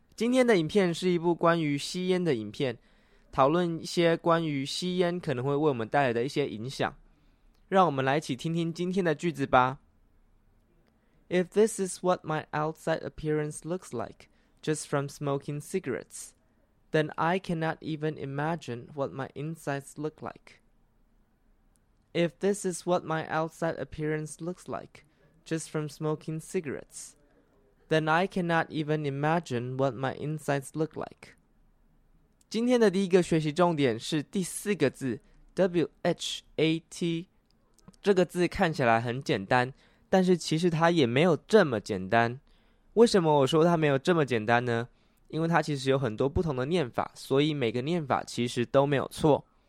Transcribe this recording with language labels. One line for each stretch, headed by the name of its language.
Chinese: 今天的影片是一部关于吸烟的影片，讨论一些关于吸烟可能会为我们带来的一些影响。让我们来一起听听今天的句子吧。
English: If this is what my outside appearance looks like, just from smoking cigarettes, then I cannot even imagine what my insides look like. If this is what my outside appearance looks like, just from smoking cigarettes, then I cannot even imagine what my insides look like.
Chinese: 今天的第一个学习重点是第四个字 ,WHAT。这个字看起来很简单，但是其实它也没有这么简单。为什么我说它没有这么简单呢？因为它其实有很多不同的念法，所以每个念法其实都没有错。